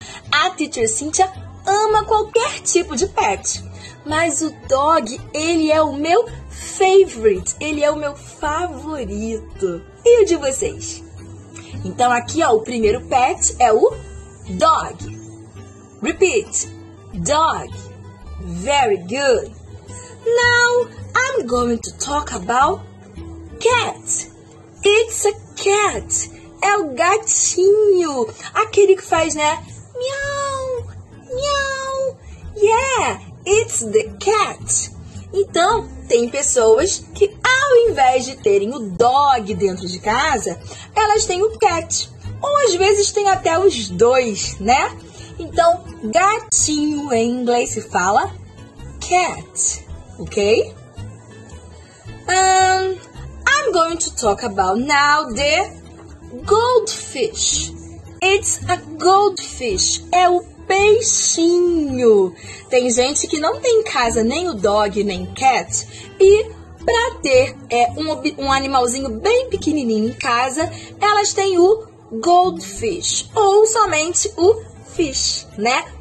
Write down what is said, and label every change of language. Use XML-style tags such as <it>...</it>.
<pt>A Teacher Cynthia ama qualquer tipo de pet. Mas o dog, ele é o meu favorite, ele é o meu favorito. E o de vocês? Então aqui, ó, o primeiro pet é o dog.</pt> <en>Repeat, dog. Very good. Now, I'm going to talk about cat. It's a cat.</en> <pt>É o gatinho, aquele que faz, né, miau, miau. Yeah.</pt> <en>It's the cat.</en> <pt>Então, tem pessoas que ao invés de terem o dog dentro de casa, elas têm o cat. Ou às vezes tem até os dois, né? Então, gatinho em inglês se fala cat, ok?</pt> <en>I'm going to talk about now the goldfish. It's a goldfish.</en> <pt>É o peixinho. Tem gente que não tem em casa nem o dog nem cat e para ter um animalzinho bem pequenininho em casa, elas têm o goldfish ou somente o fish, né?</pt>